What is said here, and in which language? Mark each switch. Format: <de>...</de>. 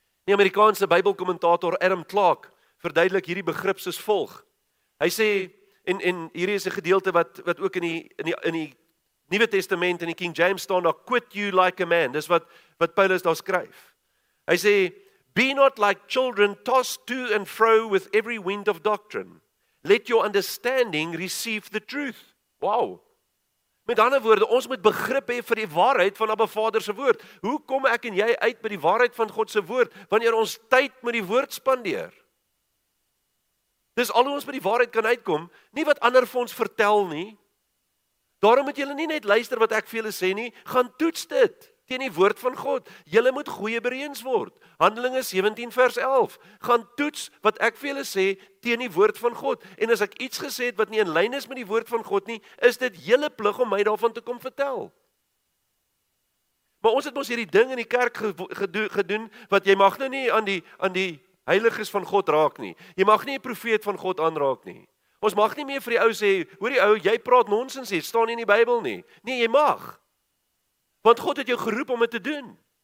<af>Die Amerikaanse Bybelkommentator Adam Clark verduidelik hierdie begrip soos volg. Hy sê, en hier is 'n gedeelte wat ook in die Nuwe Testament, in die King James staan, daar</af> <en>quit you like a man,</en> <af>dis wat Paulus daar skryf. Hy sê,</af> <en>be not like children tossed to and fro with every wind of doctrine. Let your understanding receive the truth. Wow!</en> <af>Met ander woorde, ons moet begrip hê vir die waarheid van Abba Vader se woord. Hoe kom ek en jy uit by die waarheid van God se woord, wanneer ons tyd met die woord spandeer? Dis al hoe ons by die waarheid kan uitkom, nie wat ander vir ons vertel nie. Daarom moet julle nie net luister wat ek vir julle sê nie, gaan toets dit, teen die woord van God. Julle moet goeie bereens word. Handelinge 17 vers 11, gaan toets wat ek vir julle sê, teen die woord van God. En as ek iets gesê het wat nie in lyn is met die woord van God nie, is dit julle plig om my daarvan te kom vertel. Maar ons het ons hierdie ding in die kerk gedoen, wat jy mag nou nie aan die heiliges van God raak nie. Jy mag nie 'n profeet van God aanraak nie. Ons mag nie meer vir die ou sê, hoor die ou, jy praat nonsens hier, staan nie in die Bybel nie. Nee, jy mag. Want God het jou geroep om dit te doen.</af>